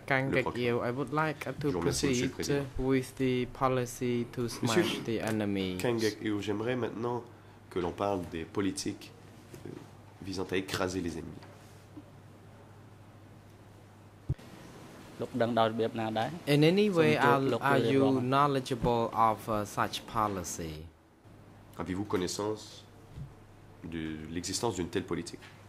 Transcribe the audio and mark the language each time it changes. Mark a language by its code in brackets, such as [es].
[en] Kang Gek-yeo, I would like to proceed with the policy to smash [fr] Monsieur [en] the enemy. [fr] Kang Gek-yeo, j'aimerais maintenant que l'on parle des politiques visant à écraser les ennemis. [en] In any way, are you knowledgeable of such policy? [fr] Avez-vous connaissance de l'existence d'une telle politique?